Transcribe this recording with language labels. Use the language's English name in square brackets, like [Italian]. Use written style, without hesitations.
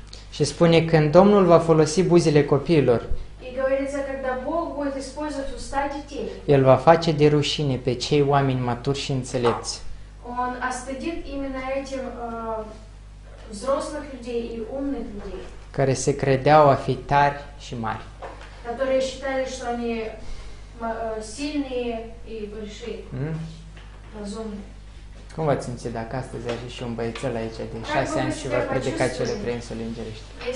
[Romanian] Și spune când Domnul va folosi buzele copiilor. Și spune când Domnul va folosi buzele copiilor. El va face de rușine pe cei oameni maturi și înțelepți. [Russian] Он остудит именно этим взрослых людей и умных людей. [Romanian] Care se credeau a fi tari și mari. [Russian] Которые считали, что они сильные и большие. Разумные. [Romanian] Cum v-ați simțit dacă astăzi a ieșit și un băiețel aici de 6 ani și v-a predicat cele trei însuri îngerești?